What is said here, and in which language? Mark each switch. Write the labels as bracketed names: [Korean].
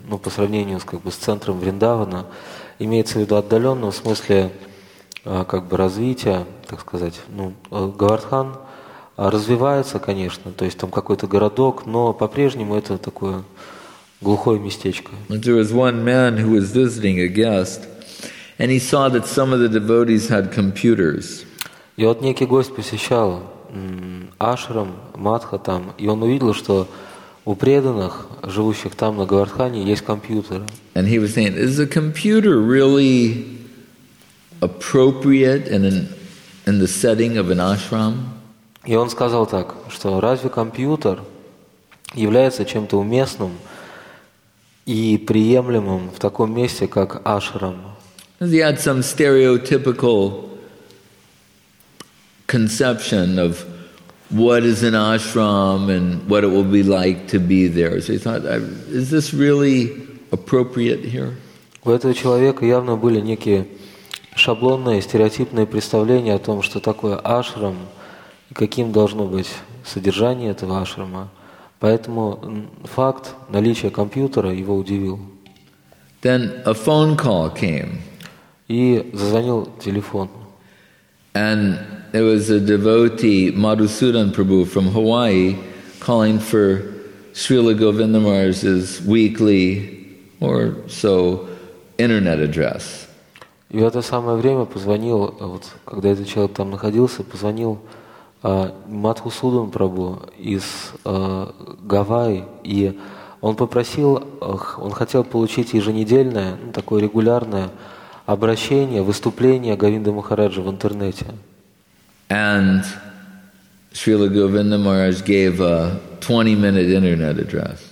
[Russian] Ну, по сравнению с центром Вриндавана, имеется в виду отдаленным в смысле развития, так сказать. Ну, Говардхан развивается, конечно, то есть там какой-то городок, но по-прежнему это такое глухое местечко. [English] There was one man who was visiting a guest, and he saw that some of the devotees had computers. [Russian] И вот некий гость посещал ашрам, матха там, и он увидел, что у преданных, живущих там на Говардхане, есть компьютеры. [English] And he was saying, is a computer really appropriate in the setting of an ashram? [Russian] И он сказал так, что разве компьютер является чем-то уместным и приемлемым в таком месте, как ашрам? [English] He had some stereotypical conception of what is an ashram and what it will be like to be there. So he thought, is this really appropriate here? [Russian] У этого человека явно были некие шаблонные, стереотипные представления о том, что такое ашрам и каким должно быть содержание этого ашрама. Поэтому факт наличия компьютера его удивил. [English] Then a phone call came. [Russian] И зазвонил телефон. [English] And it was a devotee, Madhusudan Prabhu from Hawaii, calling for Srila Govinda Maharaj's weekly or so internet address. [Russian] И в это самое время позвонил, вот когда этот человек там находился, позвонил Мадхусудан Прабху из Гавайи, и он попросил, он хотел получить еженедельное, ну, такое регулярное обращение, выступление Говинды Махараджа в интернете. [English] And Srila Govinda Maharaj gave a 20-minute internet address.